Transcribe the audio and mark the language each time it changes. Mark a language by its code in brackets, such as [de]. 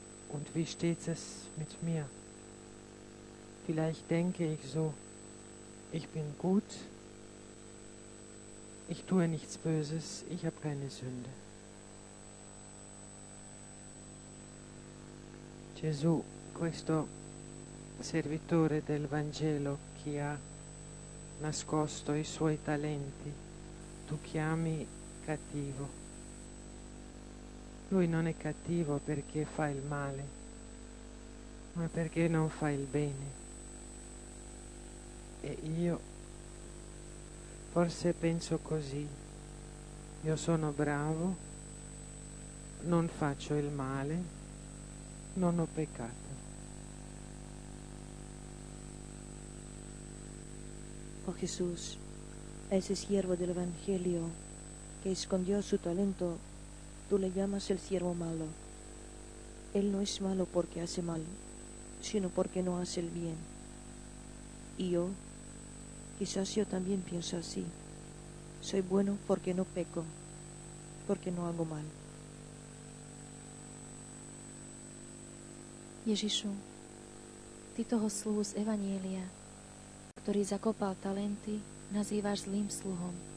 [de] Und wie steht es mit mir? Vielleicht denke ich so, ich bin gut, ich tue nichts Böses, ich habe keine Sünde. [it] Gesù, questo servitore del Vangelo, chi ha nascosto i suoi talenti, tu chiami cattivo. Lui non è cattivo perché fa il male, ma perché non fa il bene. E io forse penso così, io sono bravo, non faccio il male, non ho peccato. [es] Oh Jesús, ese siervo del Evangelio que escondió su talento, tú le llamas el siervo malo. Él no es malo porque hace mal, sino porque no hace el bien. Y yo, quizás yo también pienso así. Soy bueno porque no peco, porque no hago mal. [sk] Ježišu, ty toho sluhu z Evangelia, ktorý zakopal talenty, nazývaš zlým sluhom.